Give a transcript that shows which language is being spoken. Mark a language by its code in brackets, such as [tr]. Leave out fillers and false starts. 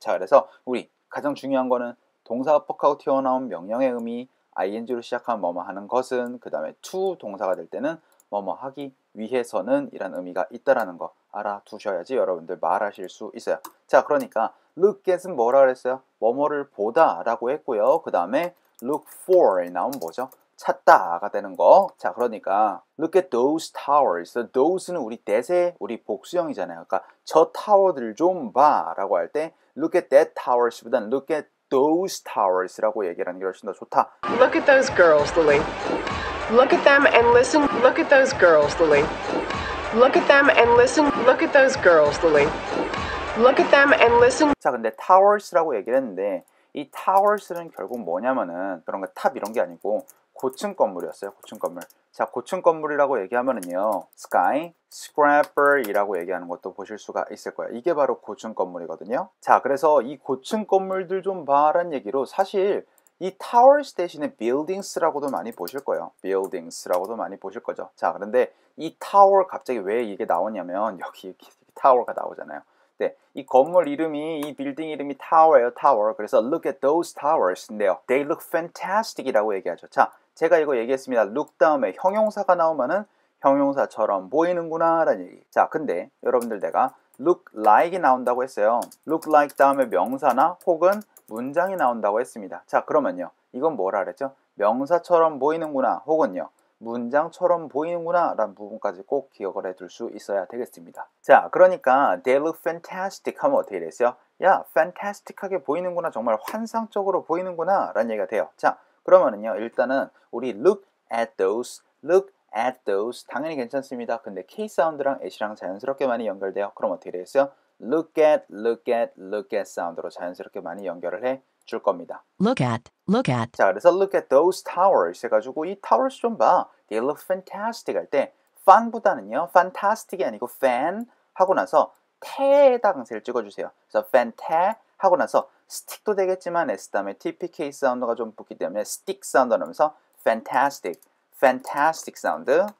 [ko] 자, 그래서 우리 가장 중요한 거는 동사와 퍽하고 튀어나온 명령의 의미 ing로 시작한 뭐뭐 하는 것은 그 다음에 to 동사가 될 때는 뭐뭐 하기 위해서는 이란 의미가 있다라는 거 알아두셔야지 여러분들 말하실 수 있어요. 자, 그러니까 look at은 뭐라 그랬어요? 뭐뭐를 보다 라고 했고요. 그 다음에 look for에 나온 뭐죠? 찾다가 되는 거. 자, 그러니까 [en] look at those towers. [ko] So those는 우리 that의 우리 복수형이잖아요. 그러니까 저 타워들 좀 봐라고 할 때 [en] look at that towers [ko] 보다는 [en] look at those towers [ko] 라고 얘기하는 게 훨씬 더 좋다. [en] Look at those girls, Lily. Look at them and listen. Look at those girls, Lily. Look at them and listen. Look at those girls, Lily. Look at them and listen. [ko] 자, 근데 towers라고 얘기했는데 이 towers는 결국 뭐냐면은 그런 거 탑 이런 게 아니고 고층 건물이었어요. 고층 건물. 자, 고층 건물이라고 얘기하면은요. sky scraper이라고 얘기하는 것도 보실 수가 있을 거예요. 이게 바로 고층 건물이거든요. 자, 그래서 이 고층 건물들 좀 봐라는 얘기로 사실 이 towers 대신에 buildings라고도 많이 보실 거예요. buildings라고도 많이 보실 거죠. 자, 그런데 이 tower 갑자기 왜 이게 나오냐면 여기 tower가 나오잖아요. 네, 이 건물 이름이 이 빌딩 이름이 타워예요. 타워. [en] 그래서 look at those towers 인데요. They look fantastic [ko] 이라고 얘기하죠. 자, 제가 이거 얘기했습니다. look 다음에 형용사가 나오면은 형용사처럼 보이는구나 라는 얘기. 자, 근데 여러분들 내가 look like이 나온다고 했어요. look like 다음에 명사나 혹은 문장이 나온다고 했습니다. 자, 그러면요. 이건 뭐라 그랬죠? 명사처럼 보이는구나 혹은요. 문장처럼 보이는구나 라는 부분까지 꼭 기억을 해둘 수 있어야 되겠습니다. 자, 그러니까 they look fantastic 하면 어떻게 되세요? 야, fantastic하게 보이는구나, 정말 환상적으로 보이는구나 라는 얘기가 돼요. 자, 그러면은요, 일단은 우리 look at those 당연히 괜찮습니다. 근데 K 사운드랑 at이랑 자연스럽게 많이 연결돼요. 그럼 어떻게 되세요? look at 사운드로 자연스럽게 많이 연결을 해 줄 겁니다. [en] Look at. [ko] 자, 그래서 [en] look at those towers [ko] 해가지고 이 towers 좀 봐. [en] They look fantastic [ko] 할 때 fun보다는요. fantastic이 아니고 fan 하고 나서 t에다 강세를 찍어주세요. 그래서 fan-t 하고 나서 stick도 되겠지만 s 다음에 tpk 사운드가 좀 붙기 때문에 stick 사운드 하면서 fantastic 사운드